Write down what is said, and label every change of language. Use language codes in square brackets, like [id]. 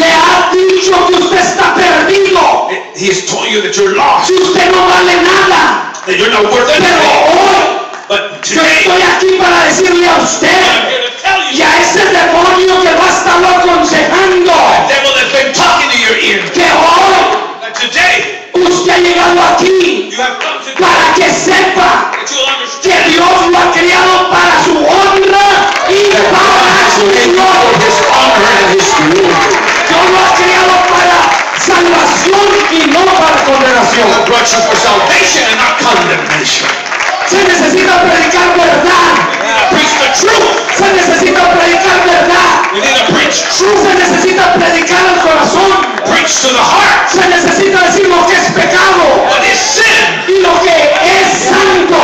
[es] Le ha dicho que usted está perdido. [en] He has told you that you're lost. [es] Si usted no vale nada. [en] That you're not worth anything. [es] Pero hoy, [en] but today, [es] yo estoy aquí para decirle a usted. Y a ese demonio que va a estarlo aconsejando. [en] The devil has been talking to your ear. [es] Que hoy. [en] That today. [es] Usted ha llegado aquí. [en] You have come to. [es] Para que sepa. Que Dios lo ha criado para su honra. Y para su gloria. Dios lo ha criado para salvación y no para condenación. [en] God brought you for salvation and not condemnation. [es] Se necesita predicar verdad. [en] Truth. [es] Se necesita predicar verdad. [en] We need to preach truth. [es] Se necesita predicar al corazón. [en] Preach to the heart. [es] Se necesita decir lo que es pecado. [en] What is sin. [es] Y lo que es santo.